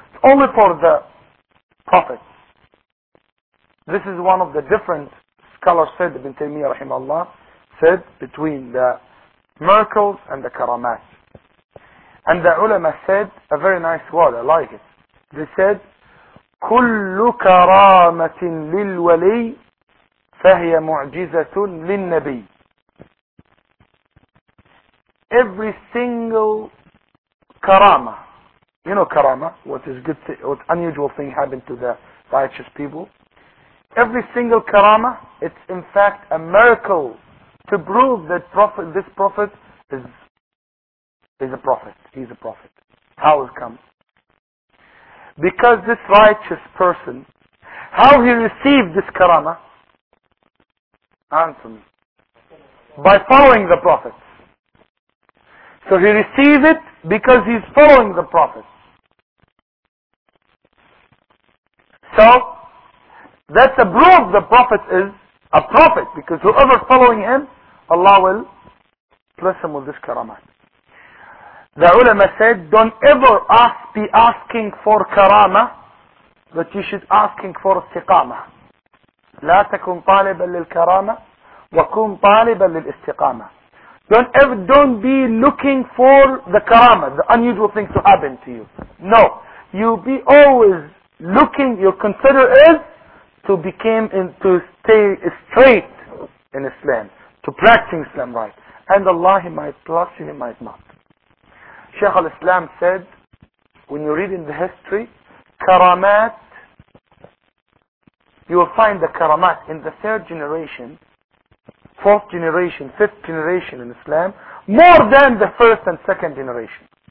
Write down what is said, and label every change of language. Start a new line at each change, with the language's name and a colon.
English: It's only for the prophets. This is one of the different scholars said, Ibn Taymiyyah rahimahullah, said between the miracles and the karamat. And the ulama said a very nice word, I like it.
Arabic: They said, كُلُّ كَرَامَةٍ لِلْوَلِي فَهِيَ مُعْجِزَةٌ لِلنَّبِي.
English: Every single karama, you know karama, what is good, what unusual thing happened to the righteous people. Every single karama, it's in fact a miracle to prove that prophet, this prophet is a prophet. He's a prophet. How it comes? Because this righteous person, how he received this karama? Answer me. By following the prophet. So he receives it because he's following the prophet. So, that's a proof the prophet is a prophet, because whoever's following him, Allah will bless him with this karamat. The ulama said, don't ever be asking for karama, but you should asking for istiqama.
Arabic: لا تكن طالبا للكرامة وكن طالبا للاستقامة.
English: Don't be looking for the karama, the unusual thing to happen to you. No. You be always looking, your consider is to become and to stay straight in Islam, to practice Islam right. And Allah, He might bless you, He might not. Shaykh al-Islam said, when you read in the history, karamat, you will find the karamat in the third generation, fourth generation, fifth generation in Islam, more than the first and second generation.